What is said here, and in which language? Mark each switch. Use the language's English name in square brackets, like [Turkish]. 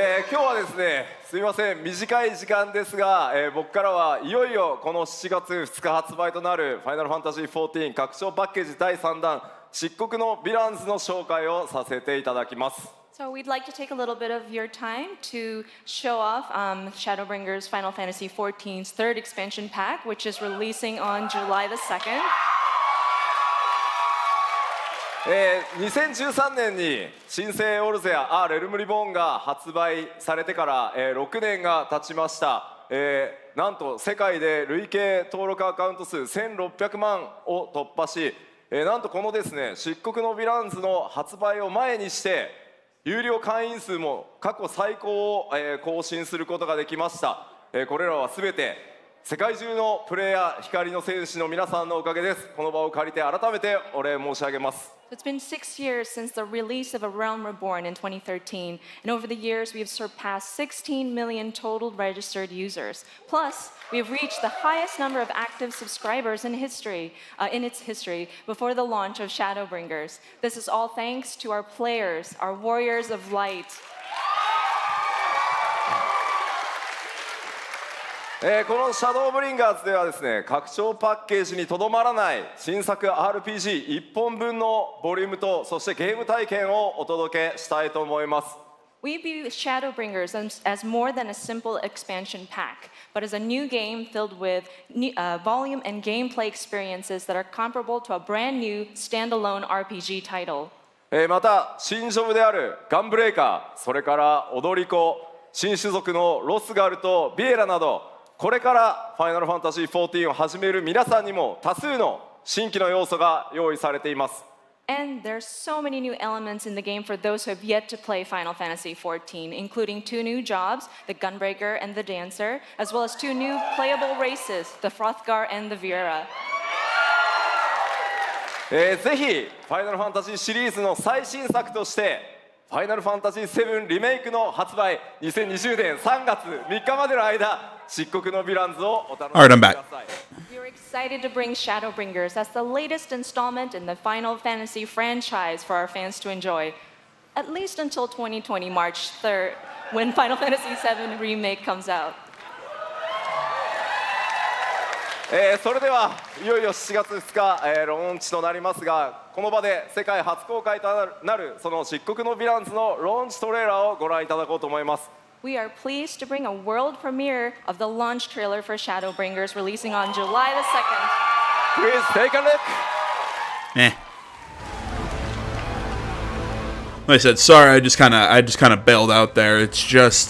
[Japanese] 今日はですね、すみません、短い時間ですが、僕からはいよいよこの7月2日発売となる Final Fantasy XIV 拡張パッケージ第3弾、漆黒のヴィランズの紹介をさせていただきます。 [English] So we'd like to take a little bit of your time to show off Shadowbringers Final Fantasy XIV's third expansion pack, which is releasing on July the 2nd. [Japanese] 2013年に新生オルゼア、レルムリボーンが発売されてから6年が経ちました。なんと世界で累計登録アカウント数1600万を突破し、なんとこのですね、漆黒のヴィランズの発売を前にして、有料会員数も過去最高を更新することができました。これらはすべて世界中のプレイヤー光の戦士の皆さんのおかげです。この場を借りて改めてお礼申し上げます。 [English] It's been 6 years since the release of A Realm Reborn in 2013, and over the years we have surpassed 16 million total registered users. Plus, we have reached the highest number of active subscribers in history, in its history, before the launch of Shadowbringers. This is all thanks to our players, our Warriors of Light. [Japanese] このシャドーブリンガーズではですね、拡張パッケージにとどまらない新作 RPG 一本分のボリュームと、そしてゲーム体験をお届けしたいと思います。 [English] We view Shadowbringers as more than a simple expansion pack, but as a new game filled with volume and gameplay experiences that are comparable to a brand new standalone RPG title. [Japanese] また新ジョブであるガンブレイカー、それから踊り子、新種族のロスガルとビエラなど、これからファイナルファンタジー14を始める皆さんにも多数の新規の要素が用意されています。 [English] And there's so many new elements in the game for those who have yet to play Final Fantasy XIV, including two new jobs, the Gunbreaker and the Dancer, as well as two new playable races, the Frothgar and the Viera. [Japanese] ぜひ Final Fantasy シリーズの最新作として Final Fantasy VII リメイクの発売2020年3月3日までの間漆黒のヴィランズをお楽しみください。 [English] All right, I'm back. We're excited to bring Shadowbringers as the latest installment in the Final Fantasy franchise for our fans to enjoy, at least until 2020 March 3rd, when Final Fantasy VII Remake comes out. [Japanese] それではいよいよ7月2日、ローンチとなりますが、この場で世界初公開となるその漆黒のヴィランズのローンチトレーラーをご覧いただこうと思います。 [English] We are pleased to bring a world premiere of the launch trailer for Shadowbringers releasing on July the 2nd. Please take a look. Eh. Like I said, sorry, I just kind of bailed out there. It's just,